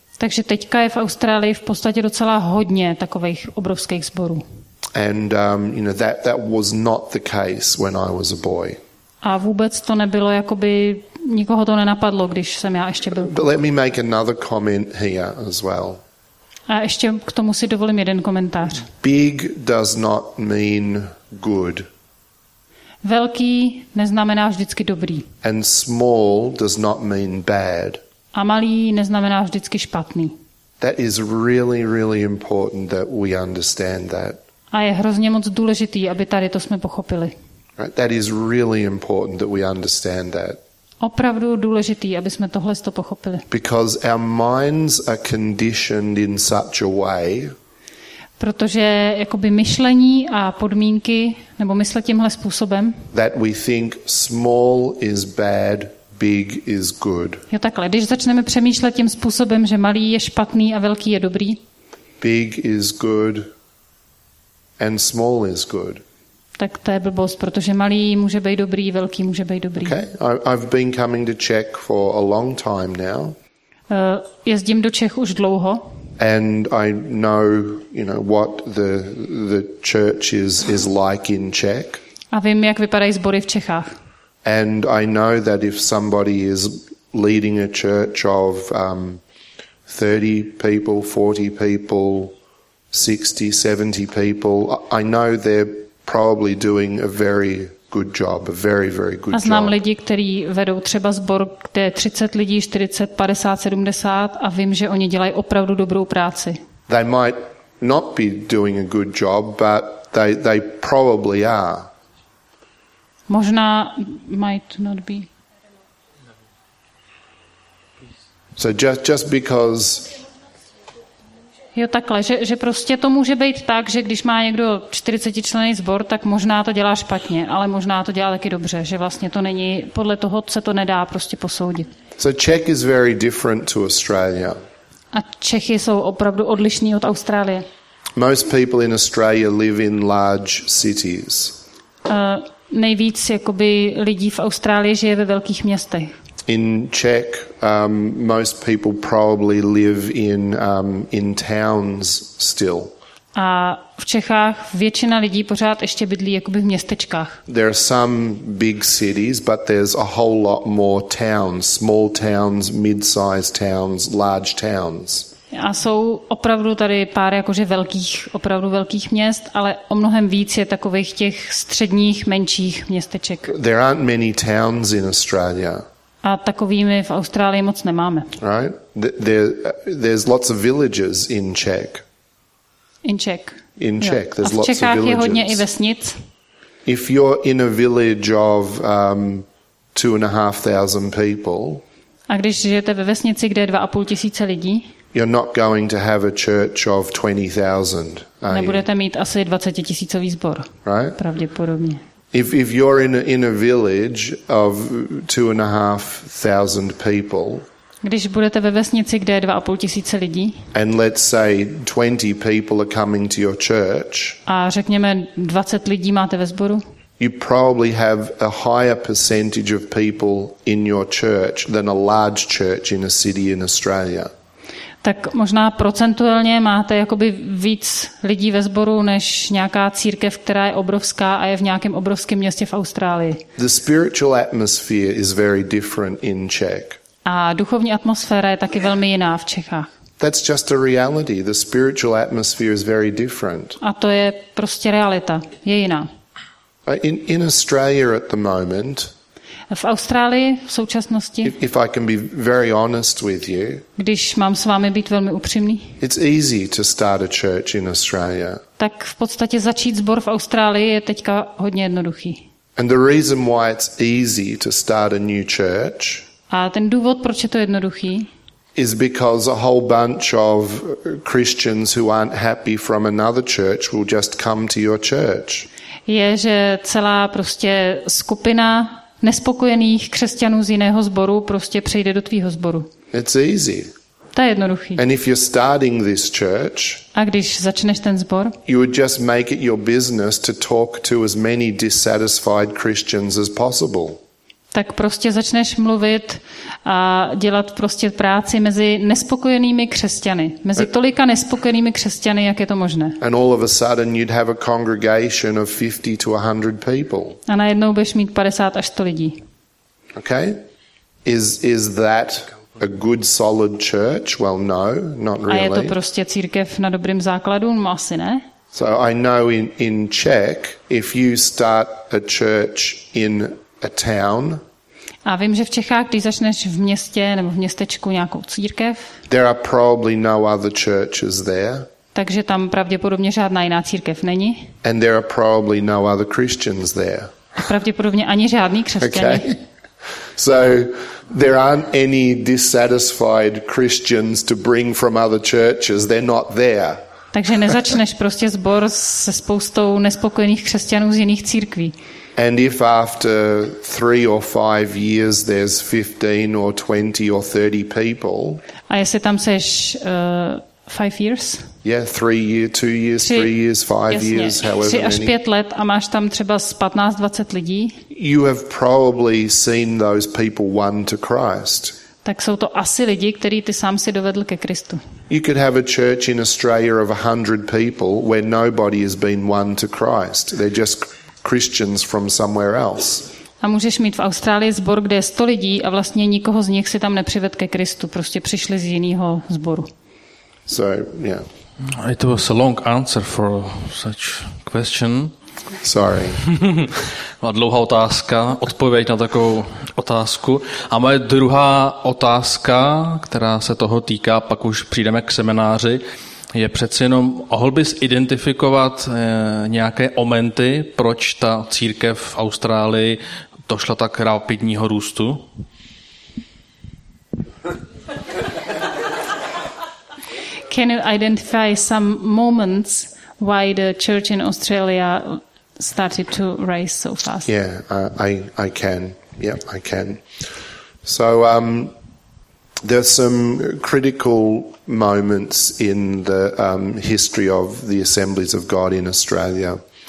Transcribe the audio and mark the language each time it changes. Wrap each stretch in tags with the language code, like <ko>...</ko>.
<cs>Takže teďka je v Austrálii v podstatě docela hodně takových obrovských sborů.</cs> <en>And you know that was not the case when I was a boy.</en> <cs>A vůbec to nebylo jakoby nikoho to nenapadlo, když jsem já ještě byl.</cs> <en>But let me make another comment here as well.</en> <cs>A ještě k tomu si dovolím jeden komentář.</cs> <en>Big does not mean good.</en> <cs>Velký neznamená vždycky dobrý.</cs> <en>And small does not mean bad.</en> <cs>A malý neznamená vždycky špatný.</cs> <en>That is really, really important that we understand that.</en> <cs>A je hrozně moc důležitý, aby tady to jsme pochopili.</cs> <en>Right? That is really important that we understand that.</en> <cs>Opravdu důležitý, aby jsme tohle to pochopili.</cs> <en>Because our minds are conditioned in such a way.</en> <cs>Protože jakoby myšlení a podmínky nebo mysle tímhle způsobem.</cs> <en>That we think small is bad, big is good.</en> <cs>Jo takhle, když začneme přemýšlet tím způsobem, že malý je špatný a velký je dobrý.</cs> <en>Big is good. And small is good.</en> <cs>Tak to je blbost, protože malý může být dobrý, velký může být dobrý.</cs> <en>Okay. I've been coming to Czech for a long time now.</en> <cs>Jezdím do Čech už dlouho.</cs> <en>And I know, you know, what the church is like in Czech.</en> <cs>A vím, jak vypadají sbory v Čechách.</cs> <en>And I know that if somebody is leading a church of 30 people, 40 people, 60, 70 people, I know they're probably doing a very good job, a very, very good job.</en> <cs>A znám lidi, kteří vedou třeba sbor, kde je 30 lidí, 40, 50, 70 a vím, že oni dělají opravdu dobrou práci.</cs> <en>They might not be doing a good job, but they probably are.</en> <cs>Možná</cs> <en>might not be. So just because.</en> <cs>Jo, takhle, že prostě to může být tak, že když má někdo 40 členný sbor, tak možná to dělá špatně, ale možná to dělá taky dobře, že vlastně to není, podle toho se to nedá prostě posoudit.</cs> <en>So Czech is very different to Australia.</en> <cs>A Čechy jsou opravdu odlišní od Austrálie.</cs> <en>Most people in Australia live in large cities.</en> <cs>Nejvíc jakoby lidí v Austrálii žije ve velkých městech.</cs> <en>In Czech, most people probably live in towns still.</en> <cs>A v Čechách většina lidí pořád ještě bydlí jakoby v městečkách.</cs> <en>There are some big cities, but there's a whole lot more towns, small towns, mid-sized towns, large towns.</en> <cs>A jsou opravdu tady pár jakože velkých, opravdu velkých měst, ale o mnohem víc je takových těch středních, menších městeček.</cs> <en>There aren't many towns in Australia.</en> <cs>A takovými v Austrálii moc nemáme.</cs> <en>Right? There's lots of villages in Czech. In Czech. In Czech,</en> <cs>jo.</cs> <en>There's lots of villages.</en> <cs>A v Čechách je hodně i vesnic.</cs> <en>If you're in a village of 2,500 people.</en> <cs>A když žijete ve vesnici, kde je 2,500 lidí.</cs> <en>You're not going to have a church of 20,000.</en> <cs>Nebudete mít asi 20,000 sbor.</cs> <en>Right?</en> <cs>Pravděpodobně.</cs> <en>If you're in a village of 2,500 people.</en> <cs>Když budete ve vesnici, kde je 2,500 lidí.</cs> <en>And let's say 20 people are coming to your church.</en> <cs>A řekněme 20 lidí máte ve sboru.</cs> <en>You probably have a higher percentage of people in your church than a large church in a city in Australia.</en> <cs>Tak možná procentuálně máte jakoby víc lidí ve sboru než nějaká církev, která je obrovská a je v nějakém obrovském městě v Austrálii.</cs> <en>The spiritual atmosphere is very different in Czech.</en> <cs>A duchovní atmosféra je taky velmi jiná v Čechách.</cs> <en>That's just a reality. The spiritual atmosphere is very different.</en> <cs>A to je prostě realita. Je jiná.</cs> <en>In Australia at the moment.</en> <cs>V Austrálii v současnosti.</cs> <en>If I can be very honest with you.</en> <cs>Když mám s vámi být velmi upřímný.</cs> <en>It's easy to start a church in Australia.</en> <cs>Tak v podstatě začít sbor v Austrálii je teďka hodně jednoduchý.</cs> <en>And the reason why it's easy to start a new church.</en> <cs>A ten důvod, proč je to jednoduchý.</cs> <en>Is because a whole bunch of Christians who aren't happy from another church will just come to your church.</en> <cs>Je, že celá prostě skupina nespokojených křesťanů z jiného sboru prostě přejde do tvýho sboru.</cs> <en>It's easy.</en> <cs>To je jednoduchý.</cs> <en>And if you're starting this church,</en> <cs>a když začneš ten sbor,</cs> <en>you would just make it your business to talk to as many dissatisfied Christians as possible.</en> <cs>Tak prostě začneš mluvit a dělat prostě práci mezi nespokojenými křesťany, mezi tolika nespokojenými křesťany, jak je to možné.</cs> <en>And all of a sudden you'd have a congregation of 50 to 100 people. A najednou budeš mít 50 až 100 lidí. Okay? Is that a good solid church? Well, no, not really.</en> <cs>A je to prostě církev na dobrém základu? No, asi ne.</cs> <en>So I know in Czech, if you start a church in a town.</en> <cs>A vím, že v Čechách, když začneš v městě nebo v městečku nějakou církev.</cs> <en>There are probably no other churches there.</en> <cs>Takže tam pravděpodobně žádná jiná církev není.</cs> <en>And there are probably no other Christians there.</en> <cs>A pravděpodobně ani žádný křesťan.</cs> <en>Okay. So there aren't any dissatisfied Christians to bring from other churches. They're not there.</en> <cs>Takže nezačneš prostě sbor se spoustou nespokojených křesťanů z jiných církví.</cs> <en>And if after 3 or 5 years there's 15 or 20 or 30 people.</en> <cs>A jestli tam seš</cs> <en>5 years? 3 years, 2 years, 3 years, 5 years, however many.</en> <cs>3 až 5 let a máš tam třeba z 15-20 lidí.</cs> <en>You have probably seen those people won to Christ.</en> <cs>Tak jsou to asi lidi, který ty sám si dovedl ke Kristu.</cs> <en>You could have a church in Australia of 100 people where nobody has been won to Christ. They're just Christians from somewhere else.</en> <cs>A můžeš mít v Austrálii sbor, kde je 100 lidí a vlastně nikoho z nich si tam nepřived ke Kristu, prostě přišli z jiného sboru.</cs> <en>So, yeah. It was a long answer for such question. Sorry.</en> <cs>Má dlouhá otázka, odpověď na takovou otázku. A moje druhá otázka, která se toho týká, pak už přijdeme k semináři, je přeci jenom, mohl bys identifikovat nějaké momenty, proč ta církev v Austrálii došla tak rapidního růstu?</cs> <en>Can you identify some moments why the church in Australia started to rise so fast? Yeah, I can. Yeah, I can. So there's some critical moments in the history of the Assemblies of God in Australia.</en>